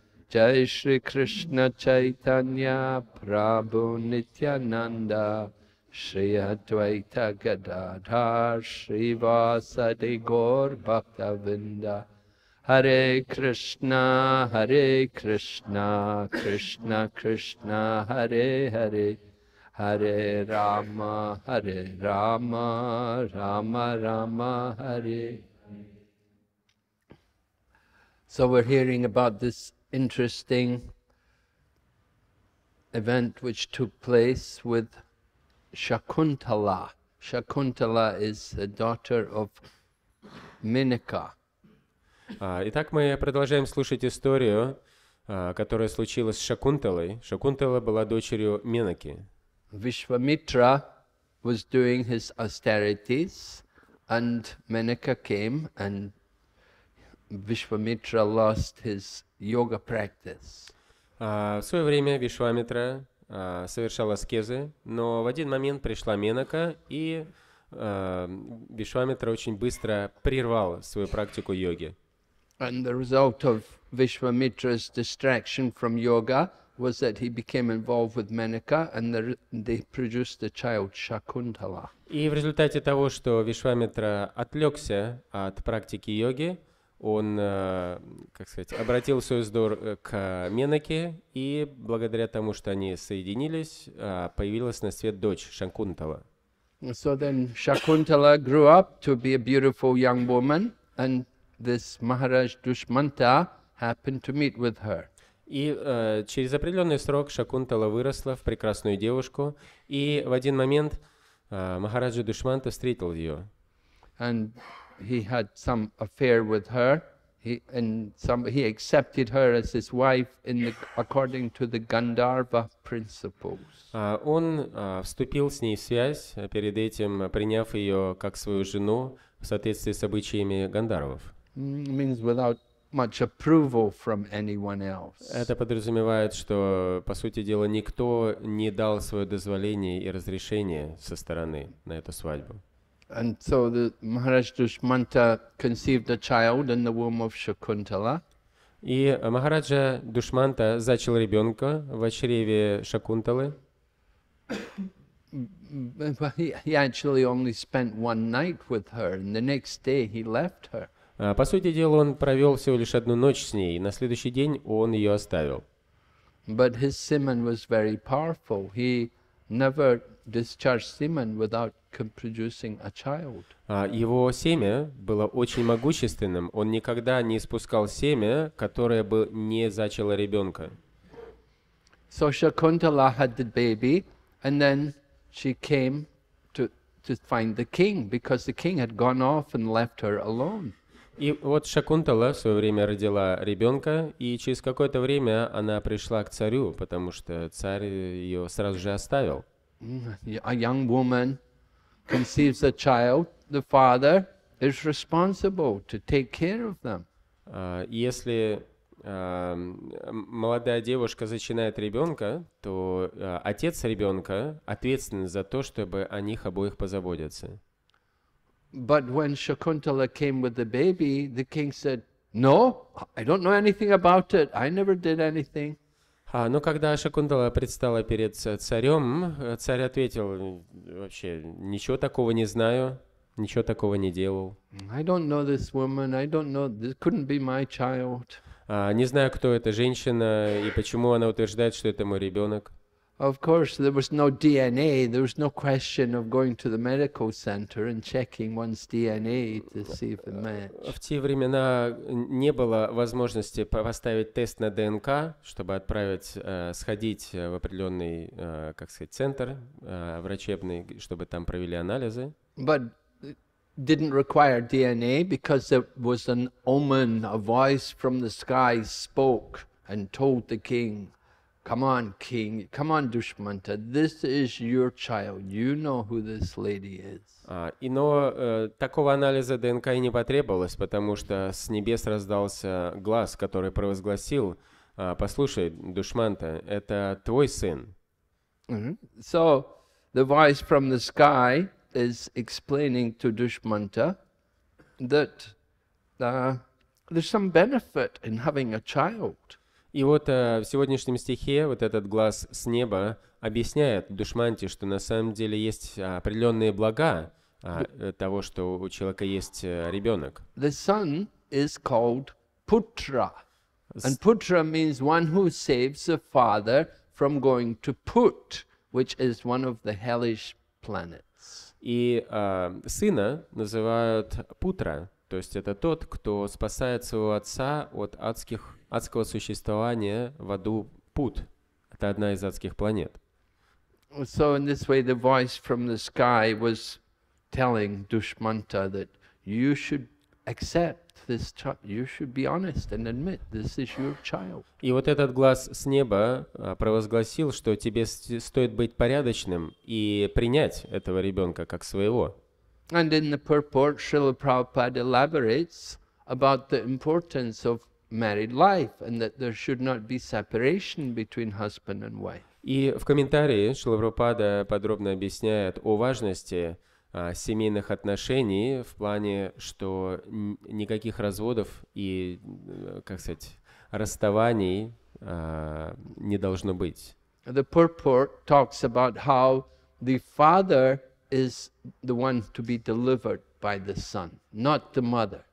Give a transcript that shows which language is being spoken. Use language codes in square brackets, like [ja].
[sa] Джай Шри Кришна Чайтанья, Прабу Нитьянанда, Шри Адвайта Гададхар, Шри Васади Гор Бхактавинда, Харе Кришна, Харе Кришна, Кришна Кришна, Харе Харе, Харе Рама, Харе Рама, Рама Рама, Харе. [en] So we're hearing about this interesting event which took place with Shakuntala. Shakuntala is the daughter of Minika. [ru] Итак, мы продолжаем слушать историю, которая случилась с Шакунталой. Шакунтала была дочерью Минаки. [en] Вишвамитра was doing his austerities, and Minika came, and Вишвамитра lost his yoga practice. [ru] В свое время Вишвамитра совершал аскезы, но в один момент пришла Менака, и Вишвамитра очень быстро прервал свою практику йоги. [en] And the result of Vishwamitra's distraction from yoga was that he became involved with Menaka and they produced the child Shakuntala. [ru] И в результате того, что Вишвамитра отвлекся от практики йоги, он, как сказать, обратил свой взор к Менаке, и благодаря тому, что они соединились, появилась на свет дочь Шакунтала. [en] So then Shakuntala grew up to be a beautiful young woman, and this Maharaj Dushmanta happened to meet with her. [ru] И через определенный срок Шакунтала выросла в прекрасную девушку, и в один момент Махараджа Душманта встретил ее. [en] And he had some affair with her. He accepted her as his wife according to the Gandharva principles. [ru] Он вступил с ней в связь, перед этим приняв ее как свою жену в соответствии с обычаями гандхарвов. [en] Means without much approval from anyone else. [ru] Это подразумевает, что, по сути дела, никто не дал свое дозволение и разрешение со стороны на эту свадьбу. [en] And so the Maharaj Dushmanta conceived a child in the womb of Shakuntala. [ru] И Махараджа Душманта зачал ребенка в чреве Шакунталы. [en] He actually only spent one night with her, and the next day he left her. [ru] По сути дела, он провел всего лишь одну ночь с ней, и на следующий день он ее оставил. [en] But his semen was very powerful. He never discharged semen without producing a child. [ru] Его семя было очень могущественным. Он никогда не испускал семя, которое бы не зачало ребенка. [en] So Shakuntala had the baby, and then she came to find the king, because the king had gone off and left her alone. [ru] И вот Шакунтала в свое время родила ребенка, и через какое-то время она пришла к царю, потому что царь ее сразу же оставил. [en] A young woman conceives a child, the father is responsible to take care of them. [ru] Если молодая девушка зачинает ребенка, то отец ребенка ответственен за то, чтобы о них обоих позаботиться. [en] But when Shakuntala came with the baby, the king said, "No, I don't know anything about it. I never did anything." [ru] Но когда Шакунтала предстала перед царем, царь ответил: "Вообще ничего такого не знаю, ничего такого не делал." [en] I don't know this woman. I don't know. This couldn't be my child. [ru] Не знаю, кто эта женщина и почему она утверждает, что это мой ребенок. [en] Of course, there was no DNA. There was no question of going to the medical center and checking one's DNA to see if it matched. [ru] В те времена не было возможности поставить тест на ДНК, чтобы отправить, сходить в определенный, как сказать, центр врачебный, чтобы там провели анализы. [en] But it didn't require DNA because there was an omen, a voice from the sky spoke and told the king. Come on, king. Come on, Dushmanta. This is your child. You know who this lady is. [ru] Такого анализа ДНК и не потребовалось, потому что с небес раздался глаз, который провозгласил: "Послушай, Душманта, это твой сын." [en] So the voice from the sky is explaining to Dushmanta that there's some benefit in having a child. [ru] И вот в сегодняшнем стихе вот этот глаз с неба объясняет Душманте, что на самом деле есть определенные блага того, что у человека есть ребенок. [en] The son is called Putra. And Putra means one who saves the father from going to Put, which is one of the hellish planets. [ru] И сына называют Путра, то есть это тот, кто спасает своего отца от адского существования в аду Пут. Это одна из адских планет. [en] So in this way the voice from the sky was telling Dushmanta that you should accept this child, you should be honest and admit this is your child. [ru] И вот этот глаз с неба провозгласил, что тебе стоит быть порядочным и принять этого ребенка как своего. [en] And in the purport Srila Prabhupada elaborates about the importance of married life, and that there should not be separation between husband and wife. [ru] И в комментарии Шрила Прабхупада подробно объясняет о важности семейных отношений в плане, что никаких разводов и, как сказать, расставаний не должно быть. [en] The purport talks about how the father is the one to be delivered by the son, not the mother.